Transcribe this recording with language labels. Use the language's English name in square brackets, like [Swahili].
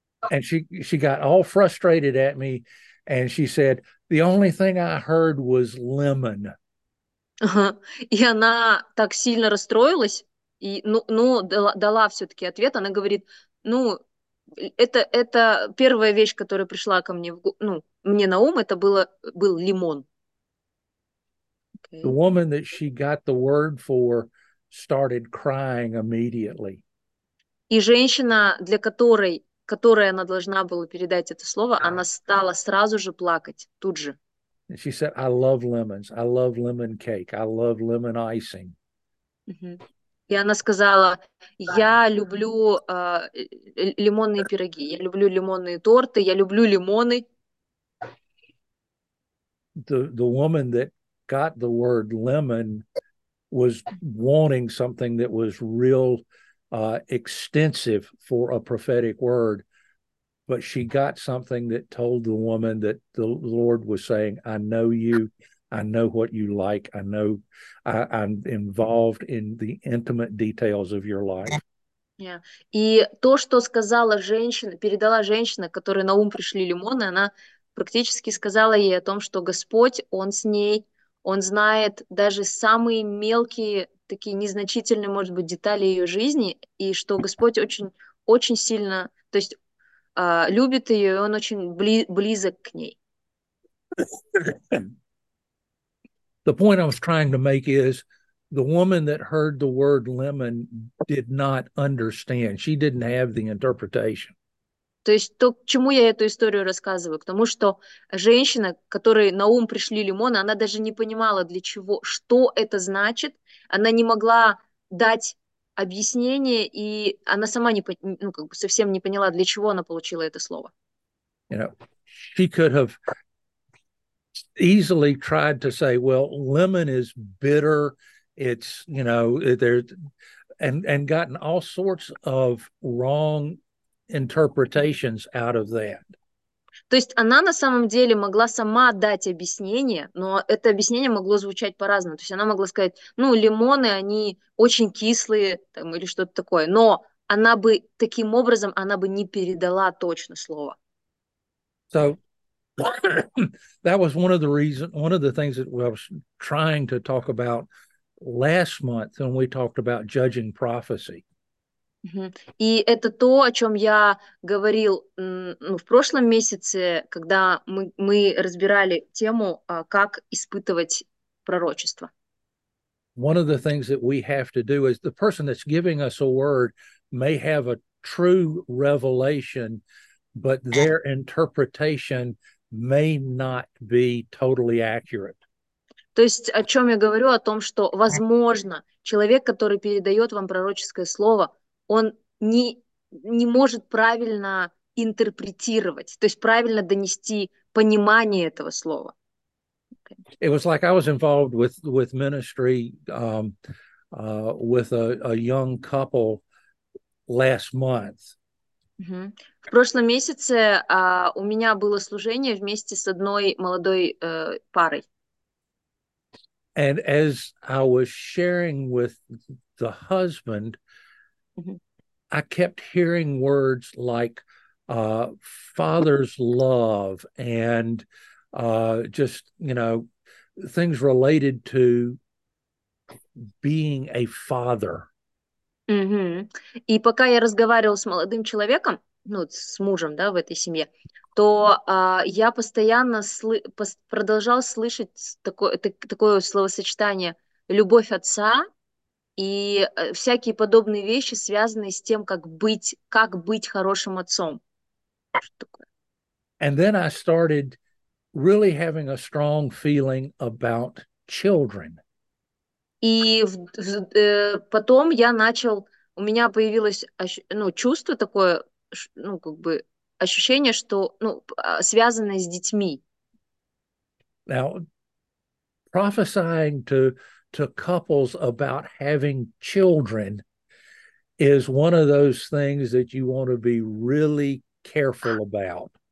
[English] And she got all frustrated at me, and she said, the only thing I heard was lemon. [Russian] И она так сильно расстроилась, и, ну, дала все-таки ответ. Она говорит, ну, это первая вещь, которая пришла ко мне, ну, мне на ум, это был лимон. [English] Okay. The woman that she got the word for started crying immediately. [Russian] И женщина, для которой она должна была передать это слово, она стала сразу же плакать, тут же. [English] And she said, I love lemons. I love lemon cake. I love lemon icing. [Russian] И она сказала, я люблю лимонные пироги, я люблю лимонные торты, я люблю лимоны. [English] The woman that got the word lemon was wanting something that was real extensive for a prophetic word. But she got something that told the woman that the Lord was saying, I know you, I know what you like, I know I'm involved in the intimate details of your life. Yeah. [Russian] И то, что сказала женщина, передала женщина, которой на ум пришли лимоны, она практически сказала ей о том, что Господь, Он с ней, Он знает даже самые мелкие, такие незначительные, может быть, детали ее жизни, и что Господь очень, очень сильно, то есть любит ее, и он очень близок к ней. [English] The point I was trying to make is the woman that heard the word lemon did not understand. She didn't have the interpretation. [Russian] То есть то, к чему я эту историю рассказываю, к тому, что женщина, которой на ум пришли лимоны, она даже не понимала, для чего, что это значит, она не могла дать объяснение, и она сама не, ну, как бы совсем не поняла, для чего она получила это слово. [English] You know, she could have easily tried to say, well, lemon is bitter, it's, you know, there's, and gotten all sorts of wrong interpretations out of that. [Russian] То есть она на самом деле могла сама дать объяснение, но это объяснение могло звучать по-разному. То есть она могла сказать, ну, лимоны, они очень кислые, там, или что-то такое. Но она бы таким образом, она бы не передала точно слово. [English] So, that was one of the reasons, one of the things that I was trying to talk about last month when we talked about judging prophecy. [Russian] И это то, о чем я говорил, ну, в прошлом месяце, когда мы разбирали тему, как испытывать пророчество. [English] One of the things that we have to do is the person that's giving us a word may have a true revelation, but their interpretation may not be totally accurate. [Russian] То есть о чем я говорю, о том, что, возможно, человек, который передает вам пророческое слово, он не может правильно интерпретировать, то есть правильно донести понимание этого слова. [English] Okay. It was like I was involved with ministry with a young couple last month. Mm-hmm. [Russian] В прошлом месяце у меня было служение вместе с одной молодой парой. [English] And as I was sharing with the husband, I kept hearing words like father's love and just, you know, things related to being a father. Mm-hmm. [Russian] И пока я разговаривала с молодым человеком, ну, с мужем, да, в этой семье, то я постоянно продолжал слышать такое словосочетание «любовь отца», и всякие подобные вещи, связанные с тем, как быть хорошим отцом. Что такое? [English] And then I started really having a strong feeling about children. [Russian] И потом я начал, у меня появилось, ну, чувство такое, ну, как бы ощущение, что, ну, связанное с детьми. [English] Now, prophesying to couples about having children is one of those things that you want to be really careful about.